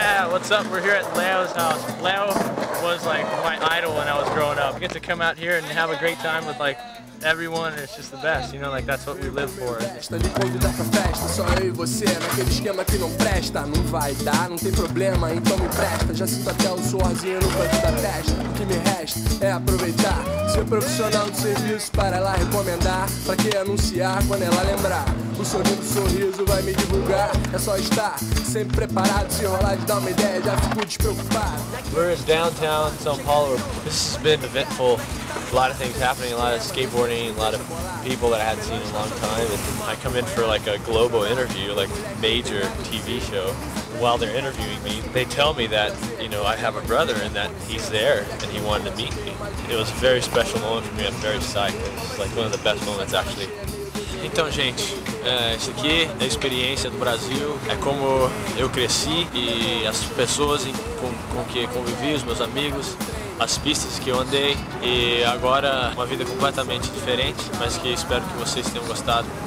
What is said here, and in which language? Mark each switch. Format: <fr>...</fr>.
<en>What's up? We're here at Leo's house. Leo was like my idol when I was growing up. I get to come out here and have a great time with like everyone, and it's just the best, you know, like that's what we live for.</en> <pt>Ele convida pra festa, só eu e você, naquele esquema que não presta. Não vai dar, não tem problema, então me presta. Já sinto até o suorzinho no canto da testa. O que me resta é aproveitar. Ser profissional do serviço para ela recomendar. Pra que anunciar quando ela lembrar? O sorriso, o sorriso vai me divulgar. É só estar sempre preparado. Se rolar de dar uma ideia, já fico despreocupado.</pt> <en>We're in downtown São Paulo. This has been eventful. A lot of things happening, a lot of skateboarding, a lot of people that I hadn't seen in a long time. And I come in for like a global interview, like major TV show. While they're interviewing me, they tell me that, you know, I have a brother and that he's there and he wanted to meet me. It was a very special moment for me. I'm very psyched. It's like one of the best moments, actually.</en> <pt>Então, gente, isso aqui é a experiência do Brasil. É como eu cresci e as pessoas com que convivi, os meus amigos. As pistas que eu andei e agora uma vida completamente diferente, mas que espero que vocês tenham gostado.</pt>